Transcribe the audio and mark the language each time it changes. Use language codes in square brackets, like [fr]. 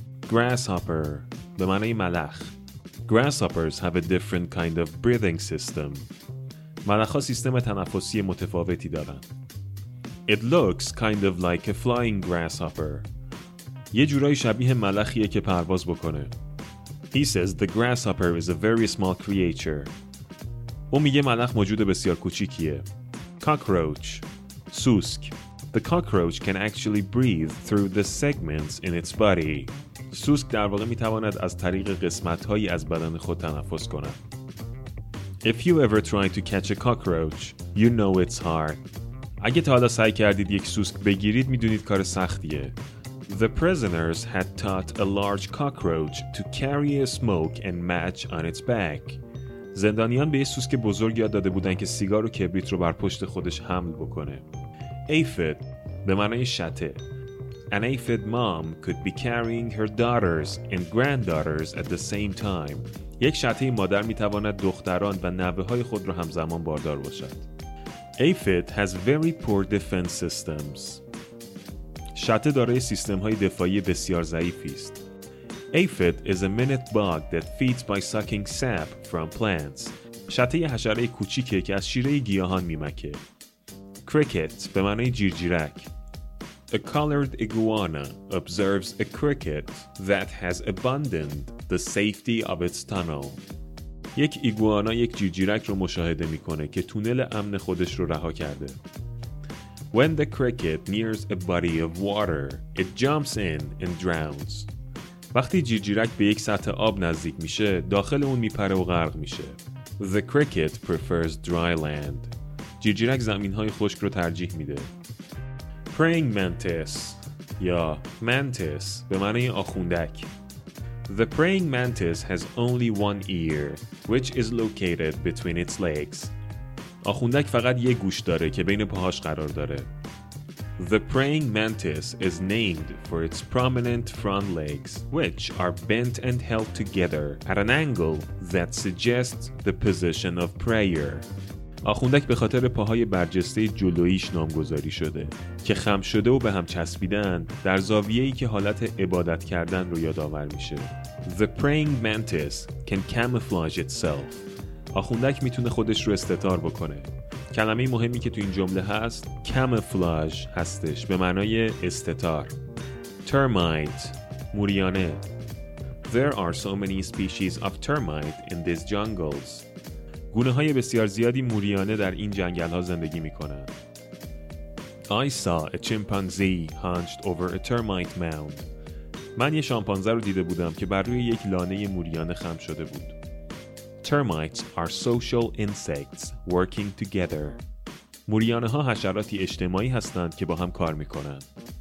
[en] Grasshopper [fa] به معنی ملخ. [en] Grasshoppers have a different kind of breathing system. [fa] ملخ ها سیستم تنفسی متفاوتی دارن. [en] It looks kind of like a flying grasshopper. [fa] یه جورایی شبیه ملخیه که پرواز بکنه. [en] He says the grasshopper is a very small creature. [fa] او میگه ملخ موجود بسیار کوچیکیه. [en] Cockroach, سوسک. The cockroach can actually breathe through the segments in its body. [fa] سوسک در واقع میتواند از طریق قسمت‌هایی از بدن خود تنفس کند. [en] If you ever try to catch a cockroach, you know it's hard. [fa] اگه تا حالا سعی کردید یک سوسک بگیرید میدونید کار سختیه. [en] The prisoners had taught a large cockroach to carry a smoke and match on its back. [fa] زندانیان به یه سوسک بزرگ یاد داده بودن که سیگار و کبریت رو بر پشت خودش حمل بکنه. Aphid به معنی شته. [en] An aphid mom could be carrying her daughters and granddaughters at the same time. [fa] یک شته مادر میتواند دختران و نوه های خود رو همزمان باردار باشد. [en] Aphid has very poor defense systems. [fa] شته دارای سیستم های دفاعی بسیار ضعیفی است. [en] Aphid is a minute bug that feeds by sucking sap from plants. [fa] شته حشره کوچیکه که از شیره گیاهان میمکه. Cricket به معنی جیرجیرک. [en] A colored iguana observes a cricket that has abandoned the safety of its tunnel. [fa] یک ایگوانا یک جیرجیرک رو مشاهده میکنه که تونل امن خودش رو رها کرده. [en] When the cricket nears a body of water, it jumps in and drowns. [fa] وقتی جیرجیرک به یک سطح آب نزدیک میشه، داخل اون میپره و غرق میشه. [en] The cricket prefers dry land. [fa] جیرجیرک زمینهای خشک رو ترجیح میده. Praying mantis یا mantis به معنی آخوندک. [en] The praying mantis has only one ear, which is located between its legs. [fa] آخوندک فقط یه گوش داره که بین پاهاش قرار داره. [en] The praying mantis is named for its prominent front legs, which are bent and held together at an angle that suggests the position of prayer. [fa] آخوندک به خاطر پاهای برجسته جلویش نامگذاری شده که خم شده و به هم چسبیدن در زاویه‌ای که حالت عبادت کردن رو یادآور میشه. [en] The praying mantis can camouflage itself. [fa] آخوندک میتونه خودش رو استتار بکنه. کلمه مهمی که تو این جمله هست camouflage هستش به معنای استتار. Termite موریانه. [en] There are so many species of termite in these jungles. [fa] گونه های بسیار زیادی موریانه در این جنگل ها زندگی می کنند. [en] I saw a chimpanzee hunched over a termite mound. [fa] من یه شامپانزه رو دیده بودم که بر روی یک لانه موریانه خم شده بود. [en] Termites are social insects working together. [fa] موریانه ها حشراتی اجتماعی هستند که با هم کار می کنند.